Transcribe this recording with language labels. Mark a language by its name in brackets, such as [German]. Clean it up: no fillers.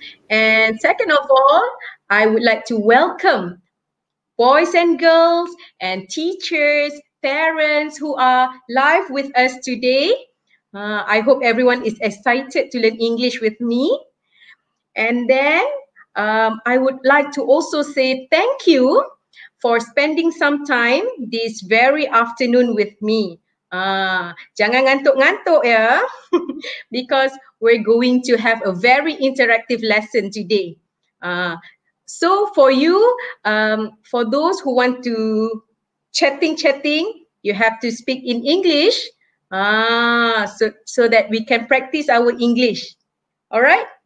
[English] And second of all, I would like to welcome boys and girls and teachers, parents who are live with us today. I hope everyone is excited to learn English with me. And then I would like to also say thank you for spending some time this very afternoon with me. [Indonesian] Jangan ngantuk-ngantuk ya. [English] Because we're going to have a very interactive lesson today. So for you, for those who want to chatting, you have to speak in English. So that we can practice our English. All right?